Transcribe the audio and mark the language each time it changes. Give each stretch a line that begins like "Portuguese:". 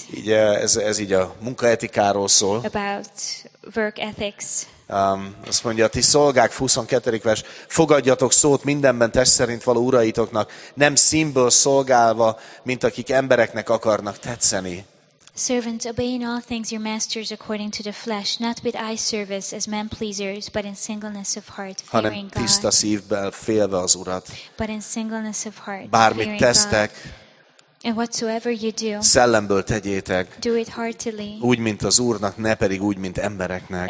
Hungarian: Igye, ez így a munkaetikáról szól.
English: About work ethics.
Hungarian: Azt mondja, ti szolgák, 22. vers, fogadjatok szót mindenben test szerint való uraitoknak, nem színből szolgálva, mint akik embereknek akarnak tetszeni.
English: Servants, obey in all things your masters according to the flesh, not with eye service as men pleasers, but in singleness of heart, fearing God.
Hungarian: Hanem tiszta szívvel félve az Urat.
English: But in singleness of heart,
Hungarian: bármit tesztek,
English: and whatsoever you do,
Hungarian: szellemből tegyétek,
English: do it heartily,
Hungarian: úgy, mint az Úrnak, ne pedig úgy, mint embereknek.